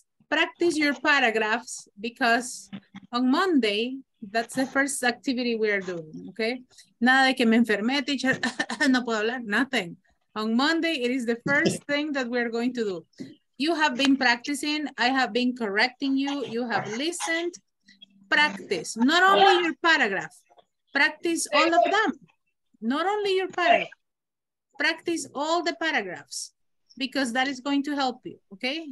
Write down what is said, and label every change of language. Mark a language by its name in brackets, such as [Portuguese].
[English] Practice your paragraphs, because on Monday, that's the first activity we are doing, okay? [Spanish] Nada de que me enfermé, teacher, no puedo hablar, [English] nothing. On Monday, it is the first thing that we are going to do. You have been practicing, I have been correcting you, you have listened. Practice, not only your paragraph, practice all of them. Not only your paragraph, practice all the paragraphs, because that is going to help you, okay?